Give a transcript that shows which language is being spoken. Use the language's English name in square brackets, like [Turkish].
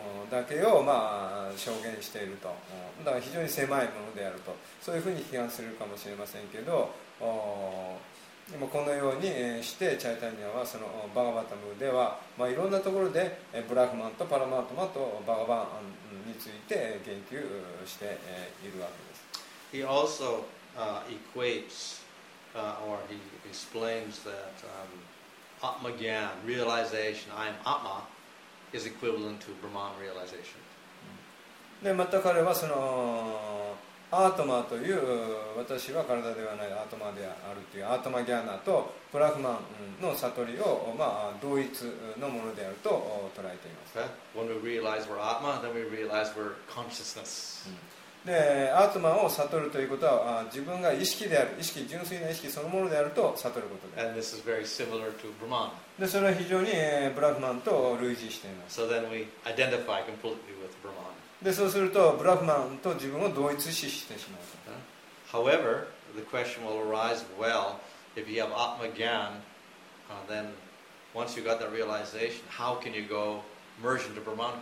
[Japanese] だけを、まあ、証言していると、だから非常に狭いものであると、そういうふうに批判するかもしれませんけど、このようにしてチャイタニアはそのバガバタムでは、まあ、いろんなところでブラフマンとパラマートマとバガバンについて言及しているわけです。 [English] He also equates or he explains that Atmagyan, realization, I am Atma. Is equivalent to Brahman realization. [Japanese] で、また彼はそのアートマという私は体ではないアートマであるというアートマギャーナとブラフマンの悟りを、まあ、同一のものであると捉えています。 [English] Okay. When we realize we're Atma, then we realize we're consciousness. [Japanese] で、アートマを悟るということは自分が意識である、意識、純粋な意識そのものであると悟ることです。 [English] And this is very similar to Brahman. [Japanese] で、それは非常にブラフマンと類似しています。 [English] So then we identify completely with Brahman. [Japanese] で、そうするとブラフマンと自分を同一視してしまう。 [English] However, the question will arise, well, if you have Atmagyan, then once you got that realization, how can you go merge into Brahman?